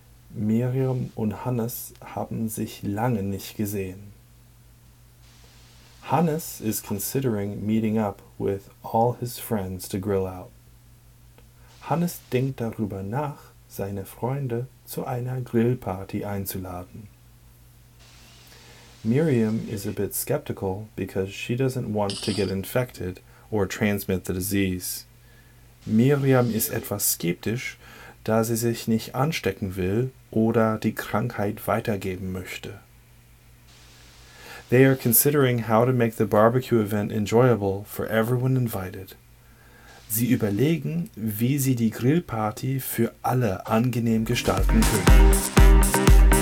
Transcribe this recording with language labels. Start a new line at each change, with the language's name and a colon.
German: Miriam und Hannes haben sich lange nicht gesehen.
English: Hannes is considering meeting up with all his friends to grill out.
German: Hannes denkt darüber nach, seine Freunde zu einer Grillparty einzuladen.
English: Miriam is a bit skeptical because she doesn't want to get infected or transmit the disease.
German: Miriam ist etwas skeptisch, da sie sich nicht anstecken will oder die Krankheit weitergeben möchte.
English: They are considering how to make the barbecue event enjoyable for everyone invited.
German: Sie überlegen, wie sie die Grillparty für alle angenehm gestalten können.